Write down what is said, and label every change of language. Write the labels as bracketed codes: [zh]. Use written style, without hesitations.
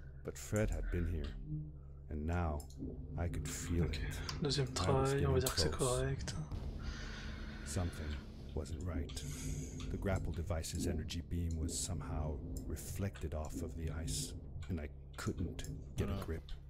[en] But Fred had been here, and now I could feel it. [fr] Deuxième travail, on va dire que c'est correct. [en] Something wasn't right. The grapple device's energy beam was somehow reflected off of the ice, and I couldn't get a grip.